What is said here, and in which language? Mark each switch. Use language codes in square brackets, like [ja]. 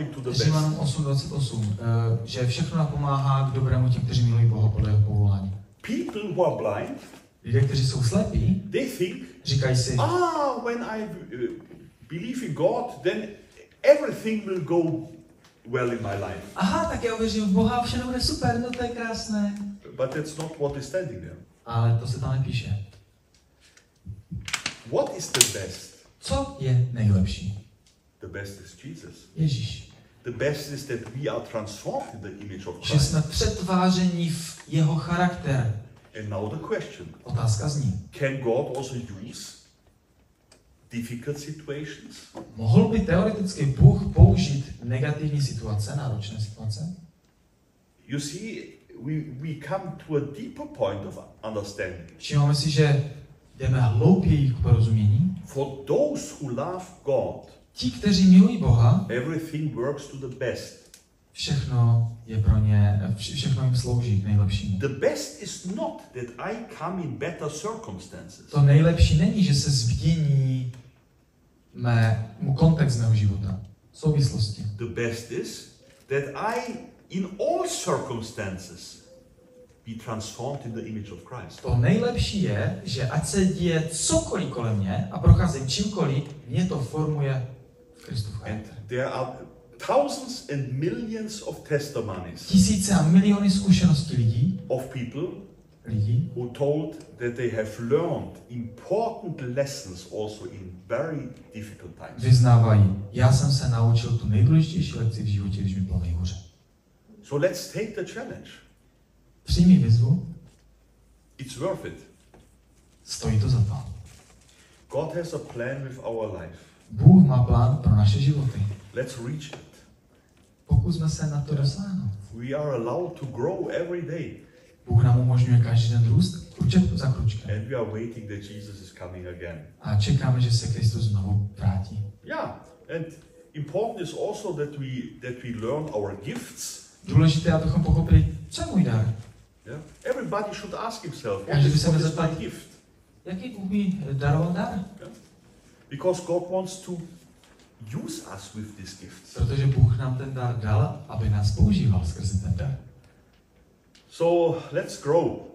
[cs] Římanům 8:28, že všechno napomáhá k dobrému těm, kteří milují Boha podle jeho povolání. [en] People who are blind, [cs] lidé, kteří jsou slepí, [en] they think, [cs] říkají si, [en] when I believe in God, then everything will go well in my life. [cs] Aha, tak já věřím v Boha, všechno bude super, no to je krásné. [en] But that's not what is standing there. [cs] Ale to se tam nepíše. [en] What is the best? [cs] Co je nejlepší? [en] The best is Jesus. [cs] Ježíš. [en] The best is that we are transformed in the image of Christ. [cs] Že jsme přetváření v jeho charakter. [en] And now the question. [cs] Otázka zní. [en] Can God also use difficult situations? [cs] Mohl by teoreticky Bůh použít negativní situace, náročné situace? [en] You see, we come to a deeper point of understanding. [cs] Všimáme si, že jdeme hlouběji k porozumění. [en] For those who love God, [cs] ti, kteří milují Boha, [en] everything works to the best. [cs] Všechno je pro ně, všechno jim slouží k nejlepšímu. [en] The best is not that I come in better circumstances. [cs] To nejlepší není, že se změní mému kontext mého života, souvislosti. [en] The best is that I in all circumstances be transformed in the image of Christ. [cs] To nejlepší je, že ať se děje cokoliv kolem mě a procházím čímkoliv, mě to formuje v Kristův charakter. [en] There are thousands and millions of testimonies. [cs] Tisíce a miliony zkušeností lidí. [en] Of people. [cs] Lidí. [en] Who told that they have learned important lessons also in very difficult times. [cs] Vyznávají, já jsem se naučil tu nejdůležitější lekci v životě, když mi bylo nejhůře. [en] So let's take the challenge. [cs] Přijmi výzvu. [en] It's worth it. [cs] Stojí to za to. [en] God has a plan with our life. [cs] Bůh má plán pro naše životy. [en] Let's reach it. [cs] Pokusme se na to dosáhnout. [en] We are allowed to grow every day. [cs] Bůh nám umožňuje každý den růst, kruček za kručkem. [en] And we are waiting that Jesus is coming again. [cs] A čekáme, že se Kristus znovu vrátí. [en] Yeah, and important is also that we learn our gifts. [cs] Důležité, abychom pochopili, co je můj dar. [en] Yeah. Everybody should ask himself, what is my gift? [cs] Jaký Bůh mi daroval dar? Yeah. [en] Because God wants to use us with this gift. [cs] Protože Bůh nám ten dar dal, aby nás používal skrze ten dar. [en] So, let's grow.